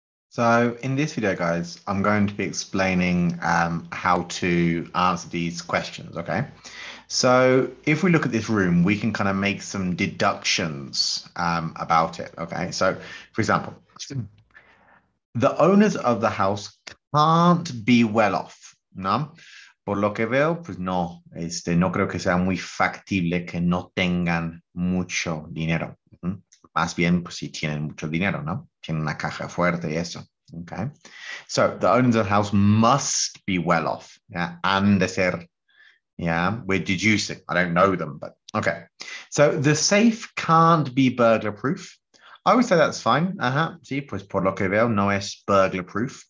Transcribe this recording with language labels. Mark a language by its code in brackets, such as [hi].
[en] So in this video, guys, I'm going to be explaining how to answer these questions, okay? So if we look at this room, we can kind of make some deductions about it, okay? So for example, the owners of the house can't be well off, no? [es] Por lo que veo, pues no, no creo que sea muy factible que no tengan mucho dinero. Más bien, pues si tienen mucho dinero, ¿no? Tienen una caja fuerte y eso, okay? [en] So, the owners of the house must be well off, yeah? [es] Han de ser, [en] yeah? We're deducing, I don't know them, but, okay. So, the safe can't be burglar-proof. I would say that's fine, [es] Sí, pues por lo que veo, no es [en] burglar-proof.